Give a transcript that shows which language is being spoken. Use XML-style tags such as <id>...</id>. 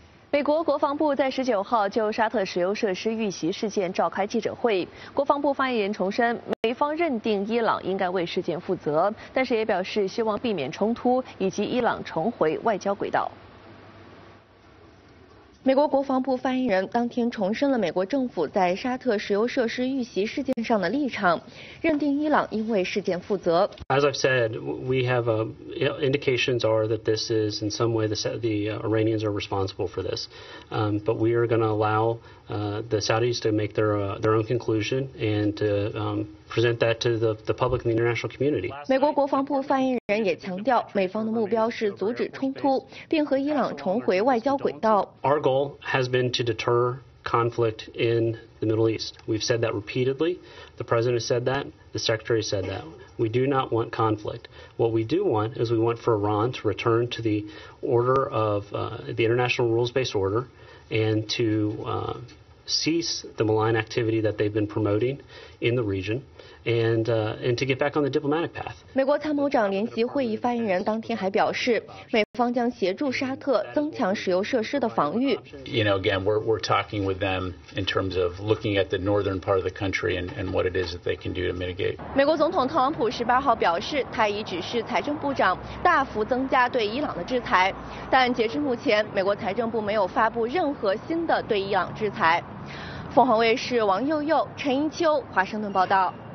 <zh>美国国防部在19号就沙特石油设施遇袭事件召开记者会，国防部发言人重申，美方认定伊朗应该为事件负责，但是也表示希望避免冲突以及伊朗重回外交轨道。美国国防部发言人当天重申了美国政府在沙特石油设施遇袭事件上的立场，认定伊朗应为事件负责。</zh> <en>As I've said, we have indications are that this is in some way the Iranians are responsible for this, but we are going to allow the Saudis to make their own conclusion and to present that to the public and the international community.</en> <zh>美国国防部发言人也强调，美方的目标是阻止冲突，并和伊朗重回外交轨道。</zh> <en>Our goal has been to deter conflict in the Middle East. We've said that repeatedly. The president said that. The secretary said that. We do not want conflict. What we do want is we want for Iran to return to the order of the international rules-based order and to cease the malign activity that they've been promoting in the region and to get back on the diplomatic path.</en> <zh>美国参谋长联席会议发言人当天还表示，美方将协助沙特增强石油设施的防御。</zh> <en>You know, again, we're talking with them in terms of looking at the northern part of the country and what it is that they can do to mitigate.</en> <zh>美国总统特朗普18号表示，他已指示财政部长大幅增加对伊朗的制裁，但截至目前，美国财政部没有发布任何新的对伊朗制裁。凤凰卫视王佑佑、陈一秋，华盛顿报道。</zh>